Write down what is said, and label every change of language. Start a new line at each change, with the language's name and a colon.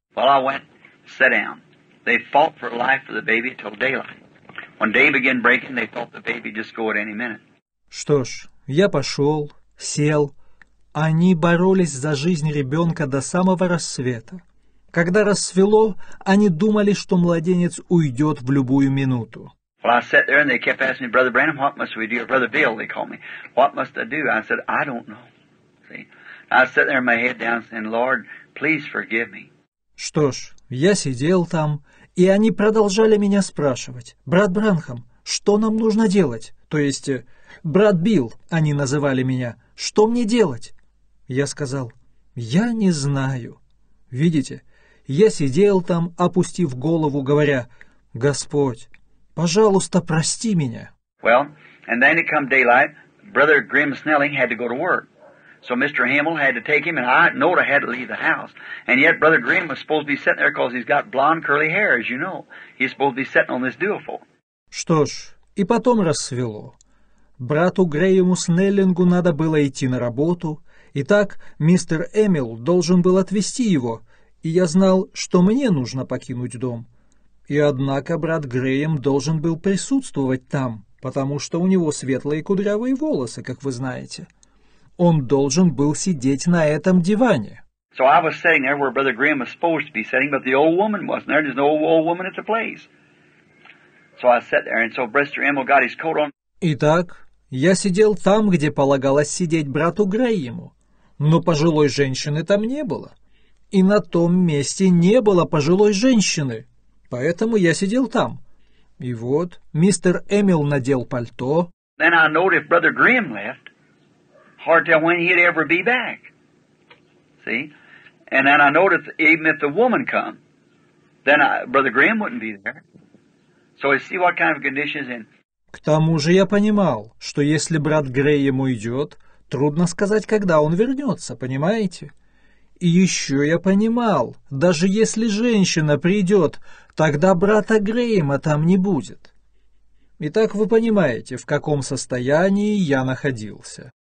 English: Well, I went, sat down. They fought for life for the baby till daylight. When day began breaking, they thought the baby just go at any minute.
Russian: Что ж, я пошел, сел. Они боролись за жизнь ребенка до самого рассвета. Когда рассвело, они думали, что младенец уйдет в любую минуту.
English: Well, I sat there and they kept asking me, Brother Branham, what must we do? Brother Bill, they call me. What must I do? I said, I don't know. See? I sat there with my head down saying, Lord, please forgive me.
Russian: Что ж, я сидел там. И они продолжали меня спрашивать, «Брат Бранхам, что нам нужно делать?» То есть, «Брат Билл», они называли меня, «Что мне делать?» Я сказал, «Я не знаю». Видите, я сидел там, опустив голову, говоря, «Господь, пожалуйста, прости меня».
English: Well, and then it come daylight, Brother Grim Snelling had to go to work. So Mr. Hamill had to take him, and I know I had to leave the house. And yet Brother Grimm was supposed to be sitting there because he's got blonde curly hair, as you know. He's supposed to be sitting on this duofold.
Russian: Что ж, и потом рассвело. Брату Грэйму Снеллингу надо было идти на работу. Итак, мистер Эмил должен был отвезти его, и я знал, что мне нужно покинуть дом. И однако брат Грэйм должен был присутствовать там, потому что у него светлые кудрявые волосы, как вы знаете. Он должен был сидеть на этом диване.
English: So I was sitting there where Brother Grimm was supposed to be sitting, but the old woman wasn't there. There's no old woman at the place. So I sat there, and so Brother Emil got his coat on.
Russian: Итак, я сидел там, где полагалось сидеть брату Грэйму, но пожилой женщины там не было. и на том месте не было пожилой женщины, поэтому я сидел там. И вот мистер Эмил надел пальто.
English: Then I noticed if brother Graham left, hard to tell when he'd ever be back. See? And then I noticed even if the woman come, then brother Graham wouldn't be there. So I see what kind of condition is in.
Russian: К тому же я понимал, что если брат Грейм уйдет, трудно сказать, когда он вернется, понимаете? И еще я понимал, даже если женщина придет, тогда брата Грейма там не будет. Итак, вы понимаете, в каком состоянии я находился.